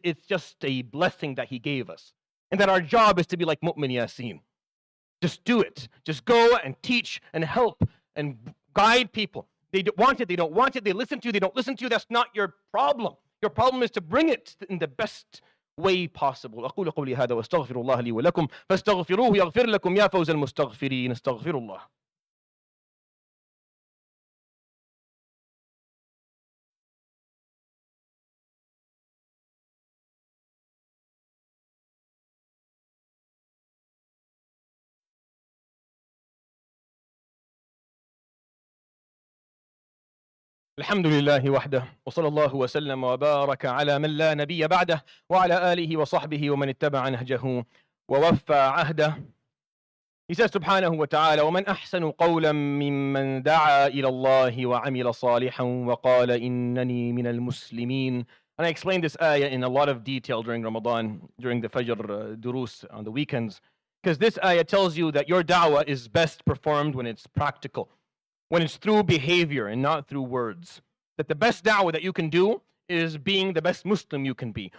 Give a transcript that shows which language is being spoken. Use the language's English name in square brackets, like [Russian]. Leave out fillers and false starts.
[English] It's just a blessing that He gave us. And that our job is to be like Mu'min Yasin. Just do it. Just go and teach and help and guide people. They want it, they don't want it. They listen to you, they don't listen to you. That's not your problem. Your problem is to bring it in the best way possible. [Arabic] أقول قولي هذا واستغفر الله لي ولكم فاستغفروه يغفر لكم يا فوز المستغفرين استغفر الله. الحمد لله وحده وصلى الله وسلم وبارك على من لا نبي بعده وعلى آله وصحبه ومن اتبع نهجه ووفى عهده. [English] He says [Arabic] سبحانه وتعالى ومن أحسن قولا ممن دعا إلى الله وعمل صالحا وقال إنني من المسلمين. [English] And I explained this ayah in a lot of detail during Ramadan, during the Fajr durus on the weekends, because this ayah tells you that your da'wah is best performed when it's practical, when it's through behavior and not through words. That the best da'wah that you can do is being the best Muslim you can be.